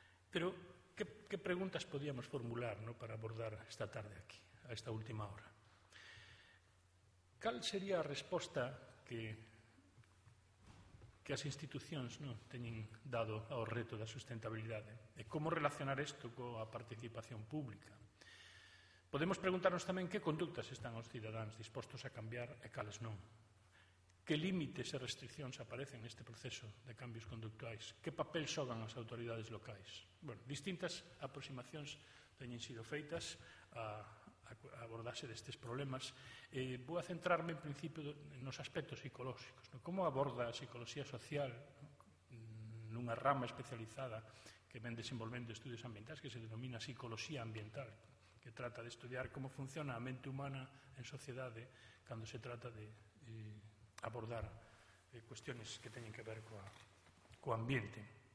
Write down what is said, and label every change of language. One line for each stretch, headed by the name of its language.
Spanish: Pero, ¿qué preguntas podíamos formular, ¿no?, para abordar esta tarde aquí, a esta última hora?
Galician: ¿Cal sería a resposta que as institucións, ¿no?, teñen dado ao reto da sustentabilidade? E como relacionar isto coa participación pública? Podemos preguntarnos tamén que conductas están os cidadáns dispostos a cambiar e cales non. Que límites e restriccións aparecen neste proceso de cambios conductuais? Que papel xogan as autoridades locais? Bueno, distintas aproximacións teñen sido feitas a abordarse destes problemas. Vou a centrarme, en principio, nos aspectos psicolóxicos, ¿no? Como aborda a psicoloxía social, ¿no?, nunha rama especializada que ven desenvolvendo estudios ambientais, que se denomina psicoloxía ambiental, que trata de estudiar como funciona a mente humana en sociedade cando se trata de abordar cuestiones que teñen que ver co ambiente.